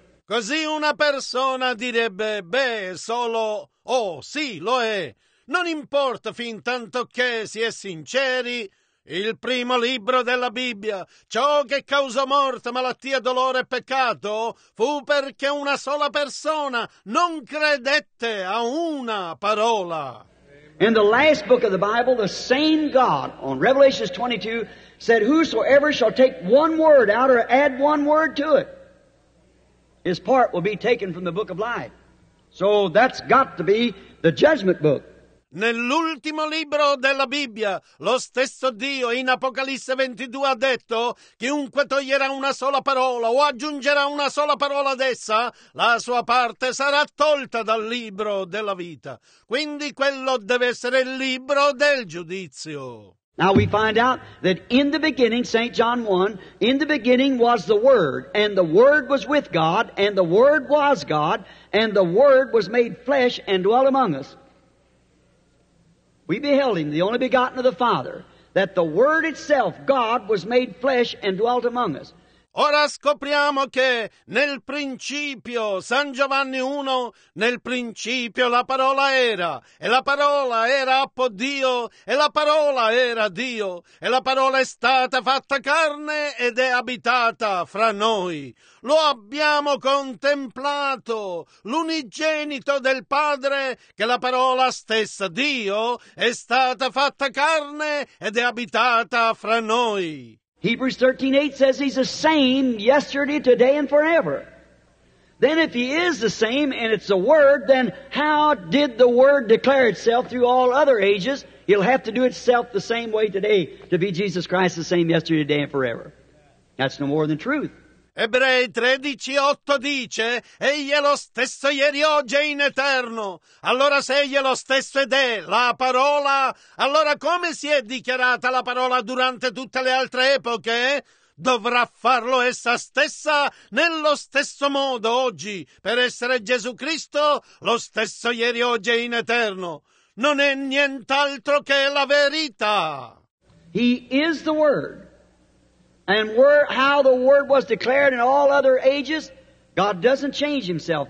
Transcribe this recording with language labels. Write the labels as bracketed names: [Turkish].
[Italian] Così una persona direbbe, beh, solo, oh, sì, lo è. Non importa fin tanto che si è sinceri. Il primo libro della Bibbia, ciò che causò morte, malattia, dolore e peccato, fu perché una sola persona non credette a una parola. [English] In the last book of the Bible, the same God, on Revelation 22, said, whosoever shall take one word out or add one word to it, his part will be taken from the book of life. So that's got to be the judgment book. [Italian] Nell'ultimo libro della Bibbia, lo stesso Dio in Apocalisse 22 ha detto, chiunque toglierà una sola parola o aggiungerà una sola parola ad essa, la sua parte sarà tolta dal libro della vita. Quindi quello deve essere il libro del giudizio. [English] Now we find out that in the beginning, St. John 1, in the beginning was the Word, and the Word was with God, and the Word was God, and the Word was made flesh and dwelt among us. We beheld Him, the only begotten of the Father, that the Word itself, God, was made flesh and dwelt among us. [Italian] Ora scopriamo che nel principio, San Giovanni 1, nel principio la parola era, e la parola era appo Dio, e la parola era Dio, e la parola è stata fatta carne ed è abitata fra noi. Lo abbiamo contemplato, l'unigenito del Padre, che la parola stessa Dio è stata fatta carne ed è abitata fra noi. [English] Hebrews 13:8 says He's the same yesterday, today, and forever. Then if He is the same and it's the Word, then how did the Word declare itself through all other ages? He'll have to do itself the same way today to be Jesus Christ, the same yesterday, today, and forever. That's no more than truth. [Italian] Ebrei 13:8 dice, Egli è lo stesso ieri, oggi e in eterno. Allora se Egli è lo stesso ed è la parola, allora come si è dichiarata la parola durante tutte le altre epoche? Dovrà farlo essa stessa nello stesso modo oggi, per essere Gesù Cristo lo stesso ieri, oggi e in eterno. Non è nient'altro che la verità. [English] He is the Word. And how the Word was declared in all other ages, God doesn't change Himself.